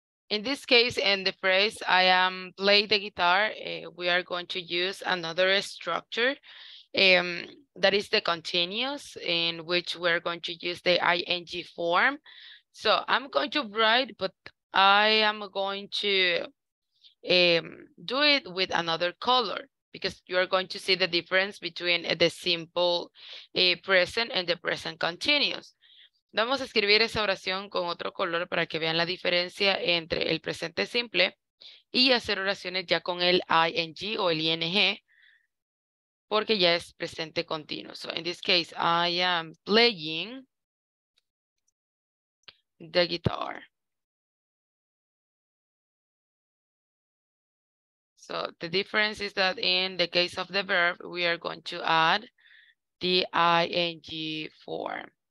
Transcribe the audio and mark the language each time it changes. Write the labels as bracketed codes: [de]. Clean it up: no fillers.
[en] In this case, in the phrase, I am play the guitar, we are going to use another structure that is the continuous in which we're going to use the ing form. So I'm going to write, but I am going to do it with another color because you are going to see the difference between the simple present and the present continuous. [es] Vamos a escribir esa oración con otro color para que vean la diferencia entre el presente simple y hacer oraciones ya con el ing o el ing, porque ya es presente continuo. [en] So in this case, I am playing the guitar. So the difference is that in the case of the verb, we are going to add the ing form.